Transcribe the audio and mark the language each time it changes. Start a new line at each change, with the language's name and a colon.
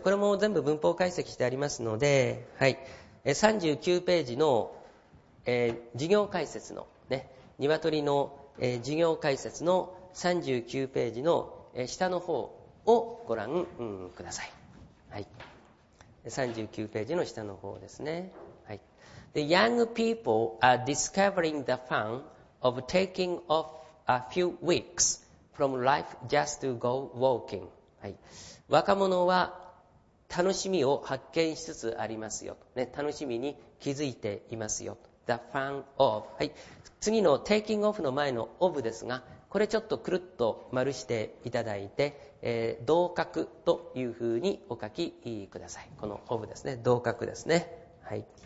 Japanese: これも全部文法解析してありますので、はい。39ページの、事業解説の、ね、鶏の、事業解説の39ページの、下の方をご覧、ください。はい。 39ページの下の方ですね。はい。
English: The young people are discovering the fun of taking off a few weeks from life just to go walking.
Japanese: はい。若者は楽しみを発見しつつありますよ。ね、楽しみに気づいていますよ。
English: The fun of.
Japanese: はい。次の taking off の前の of ですが、これちょっとくるっと丸していただいて、同格というふうにお書きください。この of ですね。同格ですね。はい。